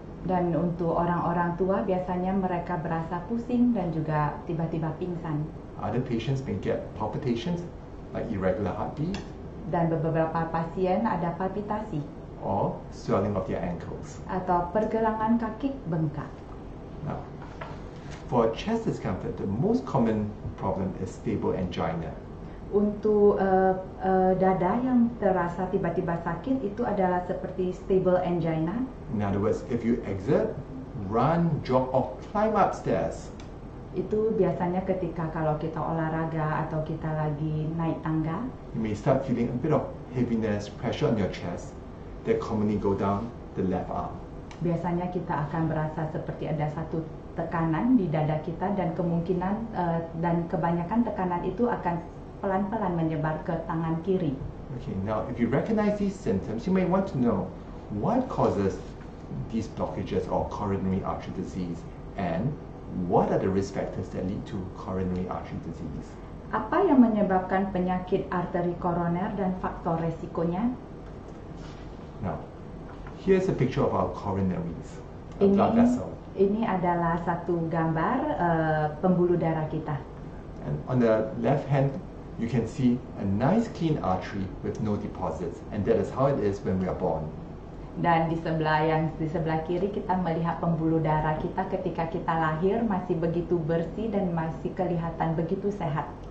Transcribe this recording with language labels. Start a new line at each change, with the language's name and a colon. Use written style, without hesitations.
Indonesian: Dan untuk orang-orang tua, biasanya mereka berasa pusing dan juga tiba-tiba pingsan.
English: Other patients may get palpitations, like irregular heartbeat.
Indonesian: Dan beberapa pasien ada palpitasi.
English: Or swelling of their ankles.
Indonesian: Atau pergelangan kaki bengkak.
English: Now, for chest discomfort, the most common problem is stable angina.
Indonesian: Untuk dada yang terasa tiba-tiba sakit itu adalah seperti stable angina.
English: In other words, if you exert, run, jog, or climb upstairs.
Indonesian: Itu biasanya ketika kalau kita olahraga atau kita lagi naik tangga.
English: You may start feeling a bit of heaviness, pressure on your chest that commonly go down the left arm.
Indonesian: Biasanya kita akan berasa seperti ada satu tekanan di dada kita dan kemungkinan dan kebanyakan tekanan itu akan pelan-pelan menyebar ke tangan kiri.
English: Okay, now if you recognize these symptoms, you may want to know what causes these blockages or coronary artery disease and what are the risk factors that lead to coronary artery disease.
Indonesian: Apa yang menyebabkan penyakit arteri koroner dan faktor resikonya?
English: Now, here's a picture of our coronaries, blood vessel.
Indonesian: Ini adalah satu gambar pembuluh darah kita.
English: And on the left hand, you can see a nice clean artery with no deposits, and that is how it is when we are born.
Indonesian: Dan di sebelah kiri kita melihat pembuluh darah kita ketika kita lahir masih begitu bersih dan masih kelihatan begitu sehat.